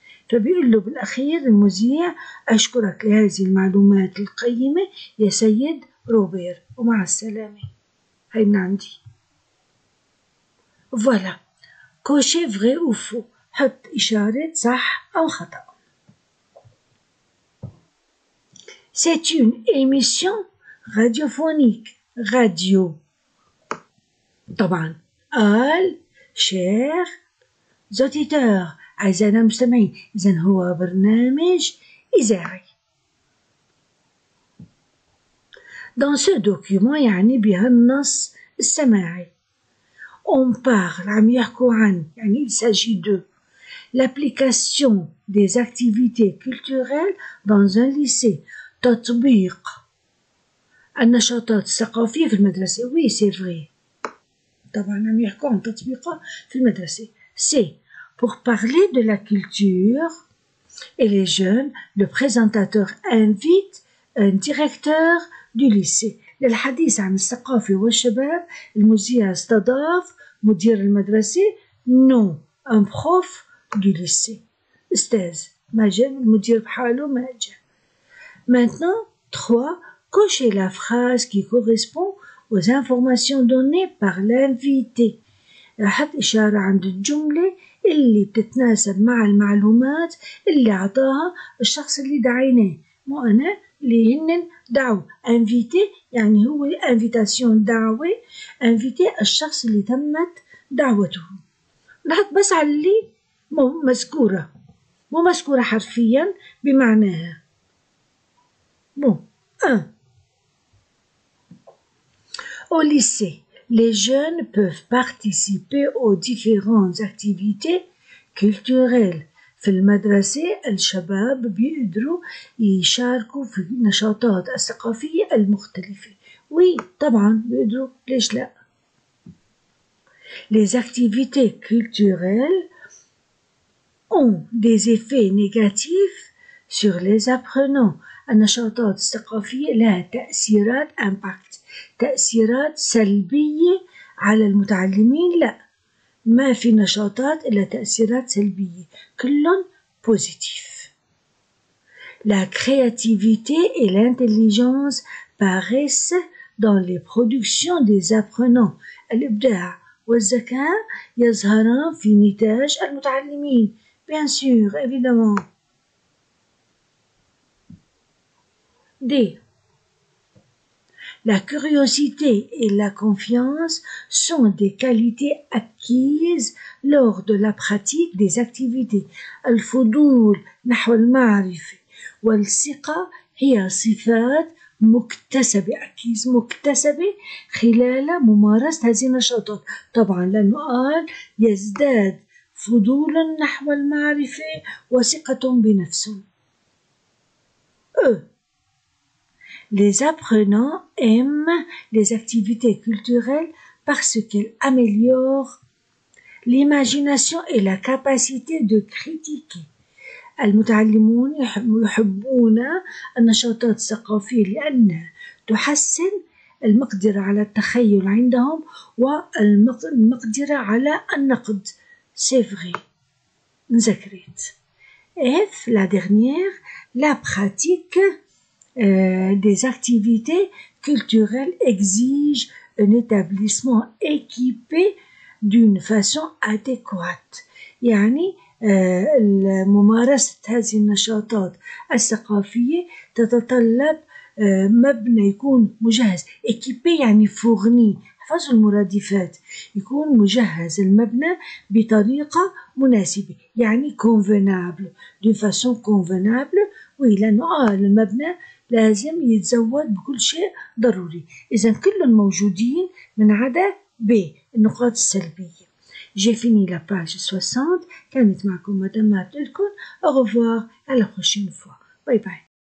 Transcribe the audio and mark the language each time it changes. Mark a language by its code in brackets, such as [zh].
[ar] فبيقول له بالأخير المذيع: أشكرك لهذه المعلومات القيمة يا سيد روبير، ومع السلامة. هاي من عندي. فوالا، كوشي فغي أو فو، حط إشارة صح أو خطأ. [fr] C'est une émission radiophonique. Radio. [ar] طبعا. قال شير زوتيتور، أعزائنا المستمعين، إذا هو برنامج إذاعي. [fr] Dans ce document [ar] يعني بهالنص السماعي. [fr] On parle [ar] عم يحكوا عن، يعني [fr] il s'agit de l'application des activités culturelles dans un lycée. [ar] تطبيق النشاطات الثقافية في المدرسة. [fr] Oui, c'est vrai. [ar] طبعا عم يحكوا عن تطبيقها في المدرسة. [fr] C'est pour parler de la culture et les jeunes, le présentateur invite un directeur du lycée. [ar] للحديث عن الثقافة والشباب، المذيع استضاف مدير المدرسة. [fr] Non, un prof du lycée. [ar] أستاذ ما جاء، المدير بحاله ما جاء. [fr] Maintenant, 3. Cochez la phrase qui correspond aux informations données par l'invité. [ar] حط إشارة عند الجملة اللي بتتناسب مع المعلومات اللي أعطاها الشخص اللي دعيناه، مو أنا، اللي هن دعوا. invité يعني هو invitation، دعوة. invité الشخص اللي تمت دعوته. نحط بس على اللي مذكورة، مو مذكورة حرفيا بمعناها. [fr] Bon. 1. Au lycée, les jeunes peuvent participer aux différentes activités culturelles. [ar] في المدرسة الشباب بيقدروا يشاركوا في النشاطات الثقافية المختلفة. [fr] Oui, [ar] طبعا بيقدروا، ليش لا؟ [fr] Les activités culturelles ont des effets négatifs sur les apprenants. [ar] النشاطات الثقافية لها تأثيرات، impact، تأثيرات سلبية على المتعلمين. لا، ما في نشاطات إلا تأثيرات سلبية، كلهم positif. [fr] La créativité et l'intelligence paraissent dans les productions des apprenants. [ar] الإبداع والذكاء يظهران في نتاج المتعلمين. [fr] Bien sûr, évidemment. D. La curiosité et la confiance sont des qualités acquises lors de la pratique des activités. [ar] الفضول نحو المعرفة والثقة هي صفات مكتسبة، أكيد مكتسبة خلال ممارسة هذه النشاطات. طبعا لأنه قال يزداد فضول نحو المعرفة وثقة بنفسه. [fr] Les apprenants aiment les activités culturelles parce qu'elles améliorent l'imagination et la capacité de critiquer. [ar] المتعلمون يحبون النشاطات الثقافية لأن تحسن المقدرة على التخيل عندهم والمقدرة على النقد. [fr] C'est vrai. [ar] نذكرت. [fr] F. La dernière. La pratique des activités culturelles exige un établissement équipé d'une façon adéquate. [ar] يعني ممارسة هذه النشاطات الثقافية تتطلب مبنى يكون مجهز. équipé يعني فورني، حفظ المرادفات، يكون مجهز المبنى بطريقة مناسبة، يعني convenable، [fr] d'une façon convenable. [ar] oui, المبنى لازم يتزود بكل شيء ضروري. إذا كلهم موجودين من عدا ب النقاط السلبية. [fr] J'ai fini la page 60. [ar] كانت معكم مدام عبد الكون. [fr] Au revoir. À la prochaine fois. Bye bye.